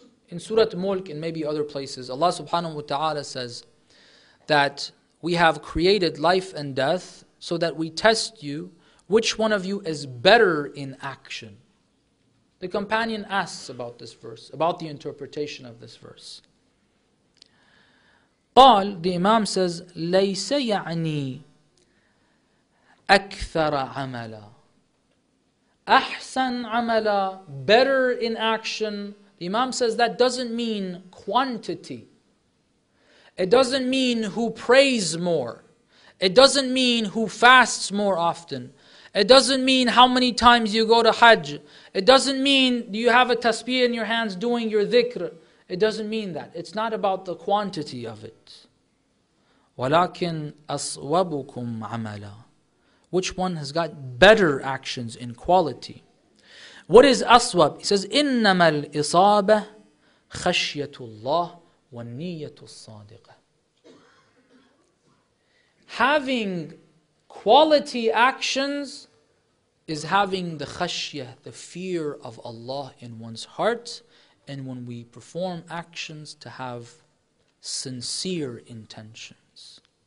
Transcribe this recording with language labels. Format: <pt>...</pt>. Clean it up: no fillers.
<en>In Surah Mulk and maybe other places, Allah subhanahu wa ta'ala says that we have created life and death so that we test you, which one of you is better in action. The companion asks about this verse, about the interpretation of this verse.</en> <ar>قال,</ar> <en>the Imam says,</en> <ar>لَيْسَ يَعْنِي أَكْثَرَ عَمَلًا. أَحْسَنْ عَمَلًا,</ar> <en>better in action. The Imam says that doesn't mean quantity. It doesn't mean who prays more. It doesn't mean who fasts more often. It doesn't mean how many times you go to Hajj. It doesn't mean you have a tasbih in your hands doing your dhikr. It doesn't mean that. It's not about the quantity of it.</en> <ar>وَلَكِنْ أَصْوَبُكُمْ عَمَلًا.</ar> <en>Which one has got better actions in quality? What is aswab? He says,</en> <ar>إِنَّمَا الْإِصَابَةِ خَشْيَةُ اللَّهِ وَالنِّيَّةُ الصَّادِقَةِ.</ar> <en>Having quality actions is having the khashya, the fear of Allah in one's heart, and when we perform actions to have sincere intentions.</en>